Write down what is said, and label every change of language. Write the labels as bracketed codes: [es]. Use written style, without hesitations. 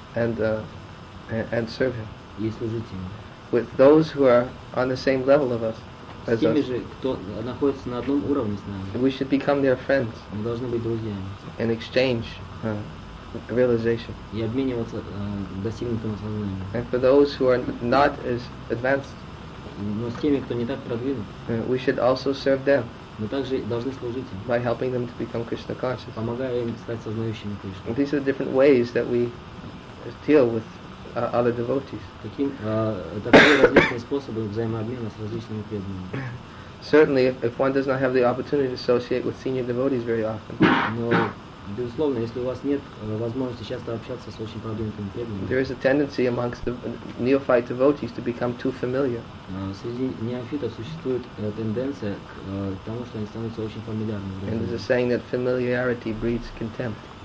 [en] And serve him. With those who are on the same level of us, [ru] as теми же, кто находится на одном уровне с нами, [en] we should become their friends. [ru] Мы должны быть друзьями. [en] And exchange realization. [ru] И обмениваться достигнутым осознанием. [en] And for those who are not as advanced, [ru] но с теми, кто не так продвинут, [en] we should also serve them. [ru] Мы также должны служить им. [en] By helping them to become Krishna conscious. [ru] Помогая им стать сознающими Кришну. [en] These are different ways that we deal with. Other devotees. [ru] Такие различные способы взаимообмена с различными преданными. [en] Certainly, if one does not have the opportunity to associate with senior devotees very often. [ru] Но безусловно, если у вас нет возможности часто общаться с очень продвинутыми преданными. [en] There is a tendency amongst the neophyte devotees to become too familiar. [ru] Среди неофитов существует тенденция к тому, что они становятся очень фамильярными. [en] And there's a saying that familiarity breeds contempt.